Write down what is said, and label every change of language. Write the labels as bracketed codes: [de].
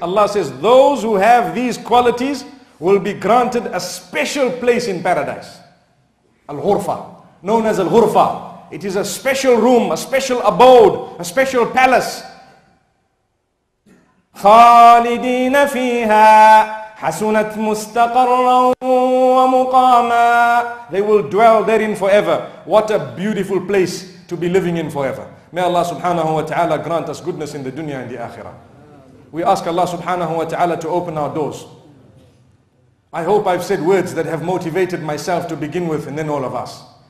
[en] Allah says, those who have these qualities will be granted a special place in paradise. Al-ghurfa. Known as al-ghurfa. It is a special room, a special abode, a special palace. [ar] خالدين فيها حسنت مستقرا ومقاما. [en] They will dwell therein forever. What a beautiful place to be living in forever. May Allah subhanahu wa ta'ala grant us goodness in the dunya and the akhirah. We ask Allah subhanahu wa ta'ala to open our doors. I hope I've said words that have motivated myself to begin with and then all of us.